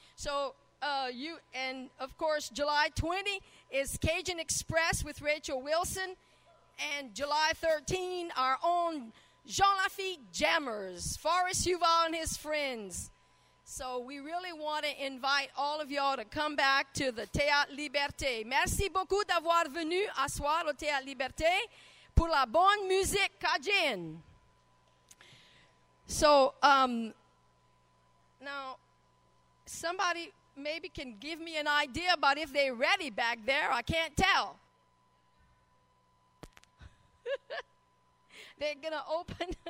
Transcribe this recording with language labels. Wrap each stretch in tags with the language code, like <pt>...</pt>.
<en>So, and of course, July 20 is Cajun Express with Rachel Wilson. And July 13, our own Jean Lafitte Jammers, Forrest Huval and his friends. So we really want to invite all of y'all to come back to the Théâtre Liberté.</en> <fr>Merci beaucoup d'avoir venu à soir au Théâtre Liberté pour la bonne musique Cajun.</fr> <en>So, now, somebody maybe can give me an idea about if they're ready back there. I can't tell. They're going to open.</en>